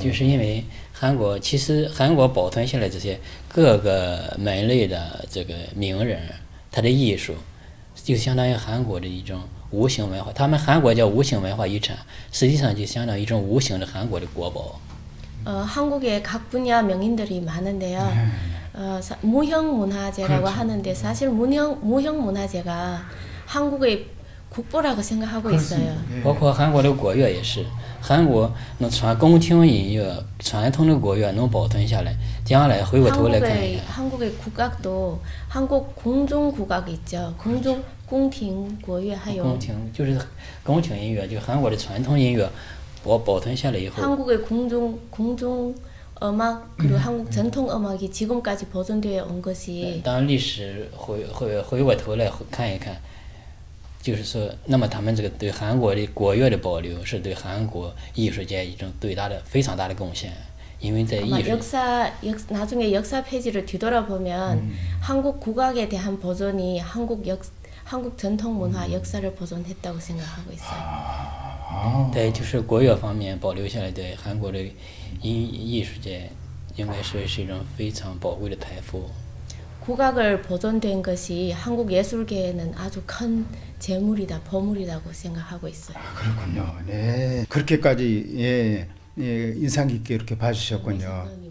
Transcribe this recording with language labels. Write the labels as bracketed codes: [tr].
[zh] 就是因为韩国，其实韩国保存下来这些各个门类的这个名人，他的艺术，就相当于韩国的一种无形文化。他们韩国叫无形文化遗产，实际上就相当于一种无形的韩国的国宝。 [ko] 한국에 각 분야 명인들이 많은데요. 무형 문화재라고 그렇죠. 하는데 사실 무형 문화재가 한국의 국보라고 생각하고 있어요. 그렇습니다. [zh] 包括韩国的国乐也是，韩国能传宫廷音乐、传统的国乐能保存下来，将来回过头来看一下。 [ko] 한국의 국악도 한국 궁중 국악 있죠. 궁중 궁廷 국악 하요. [zh] 宫廷就是宫廷音乐，就韩国的传统音乐。我保存下来以后， [ko] 한국의 궁중 음악 그리고 한국 전통 음악이 지금까지 보존되어 온 것이 [zh] 当历史回过头来看一看，就是说，那么他们这个对韩国的国乐的保留，是对韩国艺术界一种最大的、非常大的贡献，因为在艺 [ko] 아마 [zh] 术。 [ko] 나중에 역사 페이지를 뒤돌아보면 한국 국악에 대한 보존이 한국 전통 문화 역사를 보존했다고 생각하고 있어요. [zh] 对，就是国乐方面保留下来的韩国的艺术界，应该说是一种非常宝贵的财富。 [ko] 국악을 보존된 것이 한국 예술계에는 아주 큰 재물이다, 보물이라고 생각하고 있어요. 아, 그렇군요. 네. 그렇게까지 인상 깊게 이렇게 봐주셨군요.